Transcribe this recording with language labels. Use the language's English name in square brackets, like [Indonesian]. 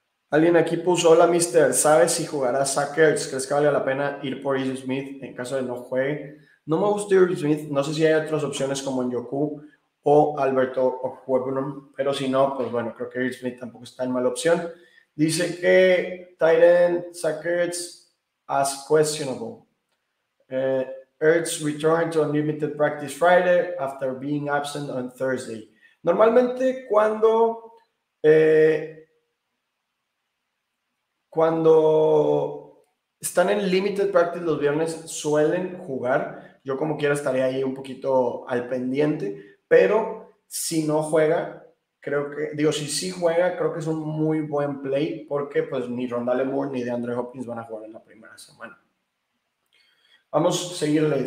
[Spanish] Alguien aquí puso, hola Mister, ¿sabes si jugará Zach Ertz? ¿Crees que vale la pena ir por Irv Smith en caso de no juegue? No me gusta Irv Smith, no sé si hay otras opciones como Njoku o Alberto Okwuegbunam, pero si no, pues bueno, creo que Irv Smith tampoco está en mala opción. Dice que [English] tight end Zach Ertz as questionable. Ertz returned to unlimited practice Friday after being absent on Thursday. [Spanish] Normalmente cuando cuando están en limited practice los viernes, suelen jugar. Yo como quiera estaré ahí un poquito al pendiente, pero si no juega, si sí juega, creo que es un muy buen play, porque pues ni Rondale Moore ni DeAndre Hopkins van a jugar en la primera semana. Vamos a seguirle.